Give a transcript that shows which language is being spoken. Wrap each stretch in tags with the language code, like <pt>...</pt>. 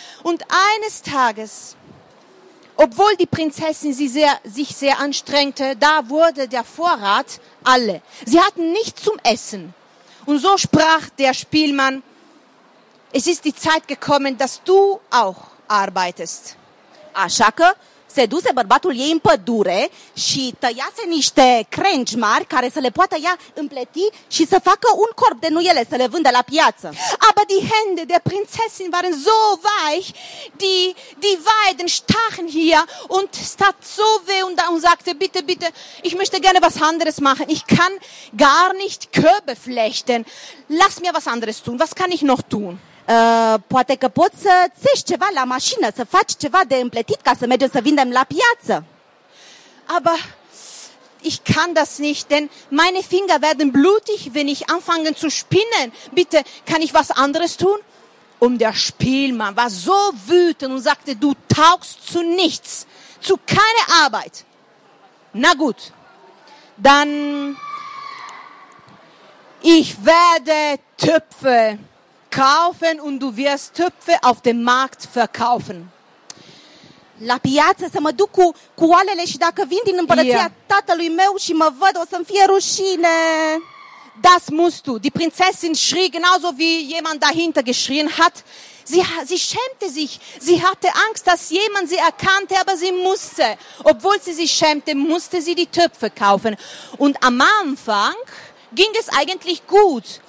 <de>Und eines Tages, obwohl die Prinzessin sich sehr anstrengte, da wurde der Vorrat alle. Sie hatten nichts zum Essen. Und so sprach der Spielmann, es ist die Zeit gekommen, dass du auch arbeitest.</de> <ro>Așa că se duse bărbatul ei în pădure și tăiase niște crengi mari care să le poată ea împleti și să facă un corp de nuiele, să le vândă la piață.</ro> <de>Aber die Hände der Prinzessin waren so weich, die Weiden stachen hier und tat so weh und sagte, bitte, ich möchte gerne was anderes machen, ich kann gar nicht Körbe flechten, lass mir was anderes tun, was kann ich noch tun?</de> <ro>Poate că poți să țești ceva la mașină, să faci ceva de împletit ca să mergem să vindem la piață.</ro> <de>Aber ich kann das nicht, denn meine Finger werden blutig, wenn ich anfange zu spinnen. Bitte, kann ich was anderes tun? Und der Spielmann war so wütend und sagte, du taugst zu nichts, zu keine Arbeit. Na gut, dann ich werde Töpfe kaufen und du wirst Töpfe auf dem Markt verkaufen.</de> <ro>la piață să mă duc cu coalele și dacă vin din împărăția tatălui meu și mă văd, o să-mi fie rușine.</ro> <de>Das musst du. Die Prinzessin schrie genauso wie jemand dahinter geschrien hat. Sie schämte sich. Sie hatte Angst, dass jemand sie erkannte, aber sie musste. Obwohl sie sich schämte, musste sie die Töpfe kaufen. Und am Anfang ging es eigentlich gut.</de>